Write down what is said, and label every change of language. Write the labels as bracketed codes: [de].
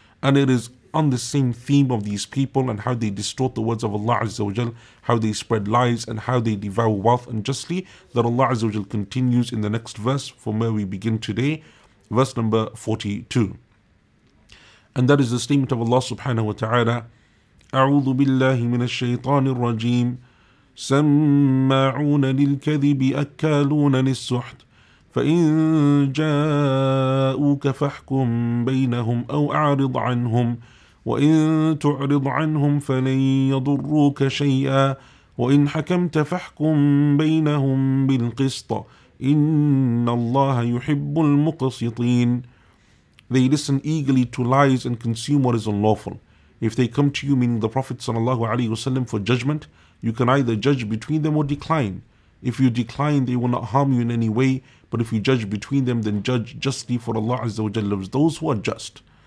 [en] And it is on the same theme of these people and how they distort the words of Allah Azza wa Jal, how they spread lies and how they devour wealth unjustly, that Allah Azza wa Jal continues in the next verse from where we begin today, verse number 42. And that is the statement of Allah subhanahu wa ta'ala. [ar] أعوذ بالله من الشيطان الرجيم سماعون للكذب أكالون للسحت فإن جاءوك فاحكم بينهم أو أعرض عنهم وإن تعرض عنهم فلن يضروك شيئا وإن حكمت فاحكم بينهم بالقسط إن الله يحب المقسطين. [en] They listen eagerly to lies and consume what is unlawful. If they come to you, meaning the Prophet sallallahu alaihi wasallam, for judgment, you can either judge between them or decline. If you decline, they will not harm you in any way. But if you judge between them, then judge justly, for Allah Azza wa Jal loves those who are just.